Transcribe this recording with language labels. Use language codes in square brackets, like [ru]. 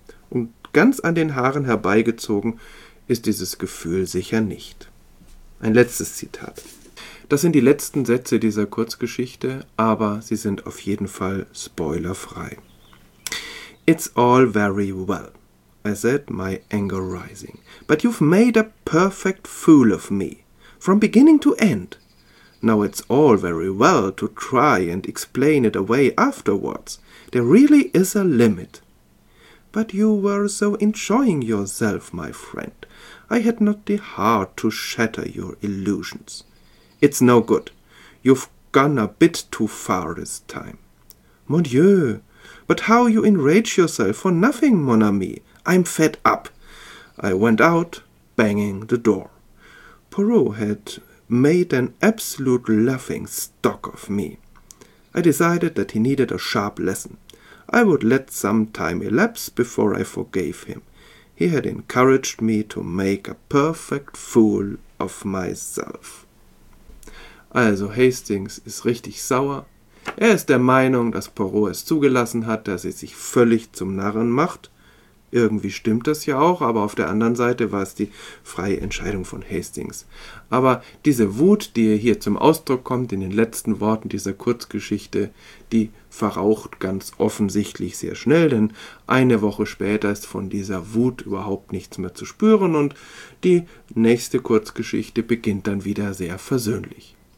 [de] Und ganz an den Haaren herbeigezogen ist dieses Gefühl sicher nicht. Ein letztes Zitat. Das sind die letzten Sätze dieser Kurzgeschichte, aber sie sind auf jeden Fall spoilerfrei. [en] It's all very well. I said, my anger rising. But you've made a perfect fool of me, from beginning to end. Now it's all very well to try and explain it away afterwards. There really is a limit. But you were so enjoying yourself, my friend. I had not the heart to shatter your illusions. It's no good. You've gone a bit too far this time. [fr] Mon Dieu! [en] But how you enrage yourself for nothing, [fr] mon ami! [en] I'm fed up! I went out, banging the door. Poirot had made an absolute laughing stock of me. I decided that he needed a sharp lesson. I would let some time elapse before I forgave him. He had encouraged me to make a perfect fool of myself. [de] Also Hastings ist richtig sauer. Er ist der Meinung, dass Poirot es zugelassen hat, dass er sich völlig zum Narren macht. Irgendwie stimmt das ja auch, aber auf der anderen Seite war es die freie Entscheidung von Hastings. Aber diese Wut, die hier zum Ausdruck kommt in den letzten Worten dieser Kurzgeschichte, die verraucht ganz offensichtlich sehr schnell, denn eine Woche später ist von dieser Wut überhaupt nichts mehr zu spüren und die nächste Kurzgeschichte beginnt dann wieder sehr versöhnlich.